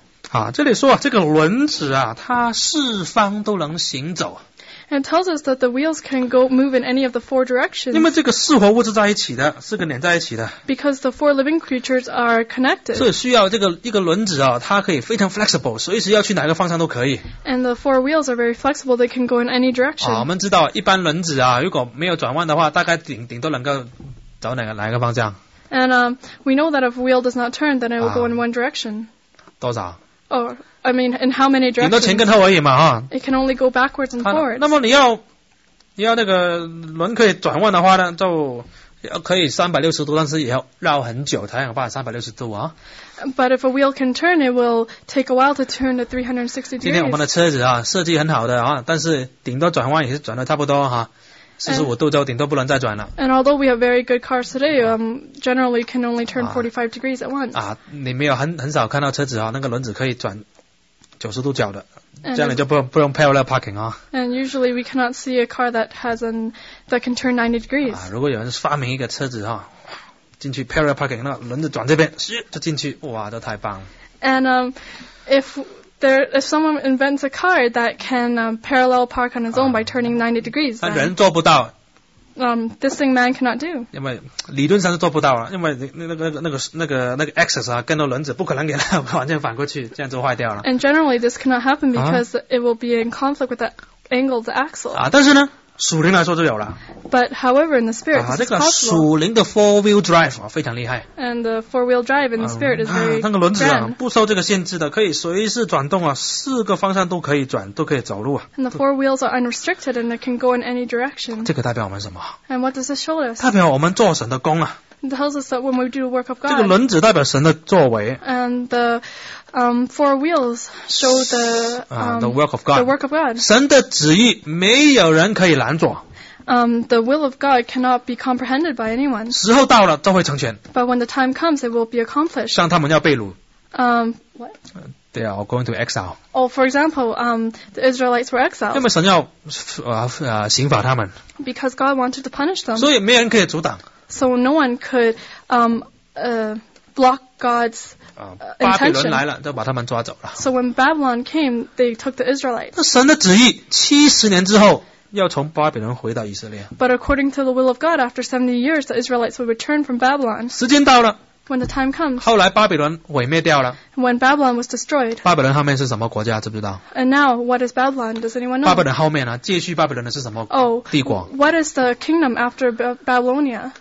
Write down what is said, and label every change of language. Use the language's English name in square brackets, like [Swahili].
[Chinese] 啊，这里说啊，这个轮子啊，它四方都能行走。 [English] And it tells us that the wheels can go move in any of the four directions. [Chinese] 因为这个四活物是在一起的，四个连在一起的。 [English] Because the four living creatures are connected. [Chinese] 所以需要这个一个轮子啊，它可以非常 [English] flexible， [Chinese] 随时要去哪个方向都可以。 [English] And the four wheels are very flexible; they can go in any direction. [Chinese] 啊，我们知道一般轮子啊，如果没有转弯的话，大概顶都能够走哪个方向。 [English] And we know that if a wheel does not turn, then it will go in one direction. [Chinese] 多少？ [English] Oh, I mean, in how many directions? [Chinese] 顶多前跟后而已嘛，哈。 [English] It can only go backwards and forwards. [Chinese] 那么你要那个轮可以转弯的话呢，就要可以360度，但是也要绕很久才有办法360度啊。 [English] But if a wheel can turn, it will take a while to turn the 360 degrees. [Chinese] 今天我们的车子啊，设计很好的啊，但是顶多转弯也是转的差不多哈。 45度就顶多不能再转了。 [English] And although we have very good cars today, generally can only turn 45 degrees at once. [Chinese] 啊，你没有很少看到车子啊，那个轮子可以转90度角的， [English] and、 [Chinese] 这样你就不用 [English] parallel parking [Chinese] 啊。 [English] And usually we cannot see a car that can turn 90 degrees. [Chinese] 啊，如果有人发明一个车子啊，进去 [English] parallel parking， [Chinese] 那轮子转这边，就进去，哇，都太棒了。 [English] And if someone invents a car that can parallel park on its own by turning 90 degrees, then [Chinese] 人做不到。 [English] This thing man cannot do. [Chinese] 因为理论上是做不到了，因为那个 axis 啊，跟着轮子不可能给它完全反过去，这样就坏掉了。 [English] And generally, this cannot happen because it will be in conflict with the angle of the axle. [Chinese] 啊，但是呢，属灵来说就有了。 [English] But however, in the spirit, it's possible. [Chinese] 啊，这个属灵的 four-wheel drive 啊，非常厉害。 [English] And the four-wheel drive in the spirit is very grand. [Chinese] 那个轮子啊，不受这个限制的，可以随时转动啊，四个方向都可以转，都可以走路啊。 [English] And the four wheels are unrestricted and they can go in any direction. [Chinese] 这个代表我们什么？ [English] And what does this show us? [Chinese] 代表我们做神的工啊。 [English] It tells us that when we do the work of God. [Chinese] 这个轮子代表神的作为。 [English] And the four wheels show the the work of God. The work of God. [Chinese] 神的旨意没有人可以拦阻。 [English] The will of God cannot be comprehended by anyone. [Chinese] 时候到了，都会成全。 [English] But when the time comes, it will be accomplished. [Chinese] 像他们要被掳。 [English] What? They are going to exile. Oh, for example, the Israelites were exiled. [Chinese] 因为神要刑罚他们。 [English] Because God wanted to punish them. [Chinese] 所以没人可以阻挡。 [English] So no one could block God's intention. [Chinese] 巴比伦来了，就把他们抓走了。 [English] So when Babylon came, they took the Israelites. [Chinese] 那神的旨意，七十年之后。要从巴比伦回到以色列。 [English] But according to the will of God, after 70 years, the Israelites would return from Babylon. [Chinese] 时间到了。 [English] When the time comes. [Chinese] 后来巴比伦毁灭掉了。 [English] When Babylon was destroyed. [Chinese] 巴比伦后面是什么国家，知不知道？ [English] And now, what is Babylon? Does anyone know? [Chinese] 巴比伦后面呢？继续巴比伦的是什么帝国？ [English] Oh, what is the kingdom after Babylonia?